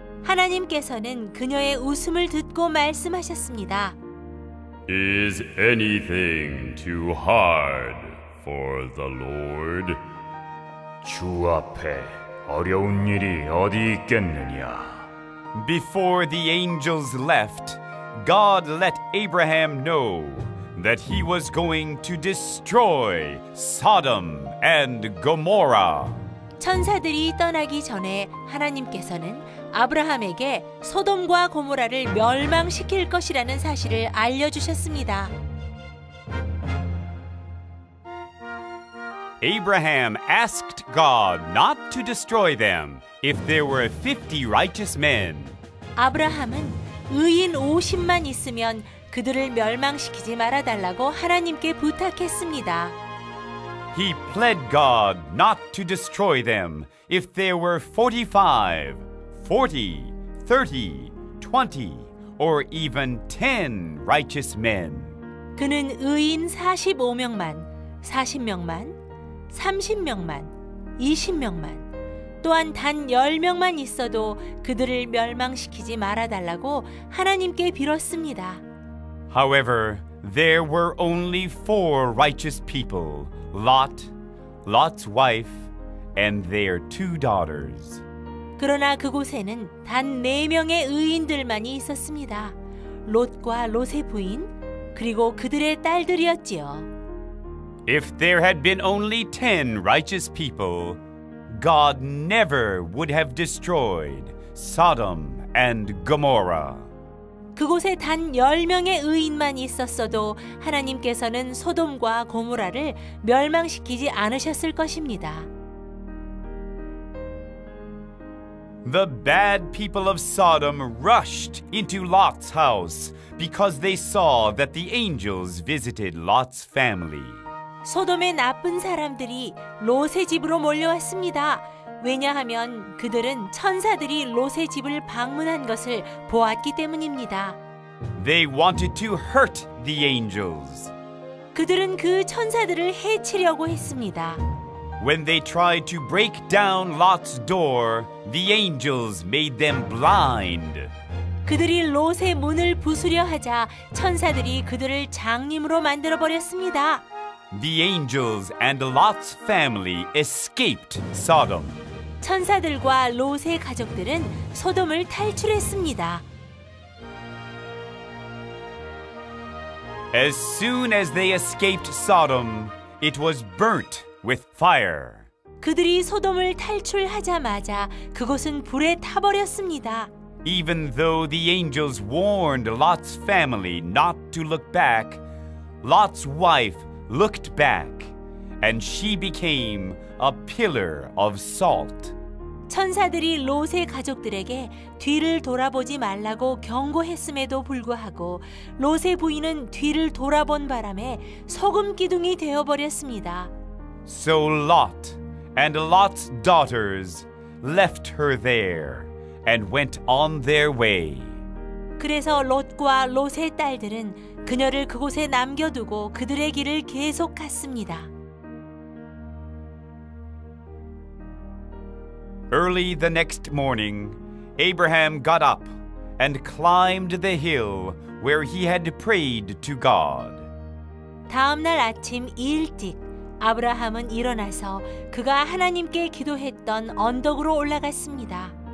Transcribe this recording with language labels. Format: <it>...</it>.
<ko>하나님께서는 그녀의 웃음을 듣고 말씀하셨습니다.</ko> <en>Is anything too hard for the Lord?</en> <ko>주 앞에 어려운 일이 어디 있겠느냐?</ko> <en>Before the angels left, God let Abraham know that he was going to destroy Sodom and Gomorrah.</en> <ko>천사들이 떠나기 전에 하나님께서는 아브라함에게 소돔과 고모라를 멸망시킬 것이라는 사실을 알려주셨습니다.</ko> <en>Abraham asked God not to destroy them if there were 50 righteous men.</en> <ko>아브라함은 의인 50만 있으면 그들을 멸망시키지 말아달라고 하나님께 부탁했습니다.</ko> <en>He pled God not to destroy them if there were 45, 40, 30, 20, or even 10 righteous men.</en> <ko>그는 의인 45명만, 40명만, 30명만, 20명만, 또한 단 10명만 있어도 그들을 멸망시키지 말아달라고 하나님께 빌었습니다.</ko> <en>However, there were only 4 righteous people. Lot, Lot's wife, and their 2 daughters.</en> <ko>그러나 그곳에는 단 4명의 의인들만이 있었습니다. 롯과 롯의 부인, 그리고 그들의 딸들이었지요.</ko> <en>If there had been only 10 righteous people, God never would have destroyed Sodom and Gomorrah.</en> <ko>그곳에 단 10명의 의인만 있었어도 하나님께서는 소돔과 고모라를 멸망시키지 않으셨을 것입니다.</ko> <en>The bad people of Sodom rushed into Lot's house because they saw that the angels visited Lot's family.</en> <ko>소돔의 나쁜 사람들이 롯의 집으로 몰려왔습니다. 왜냐하면 그들은 천사들이 롯의 집을 방문한 것을 보았기 때문입니다.</ko> <en>They wanted to hurt the angels.</en> <ko>그들은 그 천사들을 해치려고 했습니다.</ko> <en>When they tried to break down Lot's door, the angels made them blind.</en> <ko>그들이 롯의 문을 부수려 하자 천사들이 그들을 장님으로 만들어 버렸습니다.</ko> <en>The angels and Lot's family escaped Sodom.</en> <ko>천사들과 롯의 가족들은 소돔을 탈출했습니다.</ko> <en>As soon as they escaped Sodom, it was burnt with fire.</en> <ko>그들이 소돔을 탈출하자마자 그곳은 불에 타버렸습니다.</ko> <en>Even though the angels warned Lot's family not to look back, Lot's wife looked back, and she became a pillar of salt.</en> <ko>천사들이 롯의 가족들에게 뒤를 돌아보지 말라고 경고했음에도 불구하고 롯의 부인은 뒤를 돌아본 바람에 소금 기둥이 되어버렸습니다.</ko> <en>So Lot and Lot's daughters left her there and went on their way.</en> <ko>그래서 롯과 롯의 딸들은 그녀를 그곳에 남겨두고 그들의 길을 계속 갔습니다.</ko> <en>Early the next morning, Abraham got up and climbed the hill where he had prayed to God.</en> <ko>다음 날 아침 일찍 아브라함은 일어나서 그가 하나님께 기도했던 언덕으로 올라갔습니다.</ko>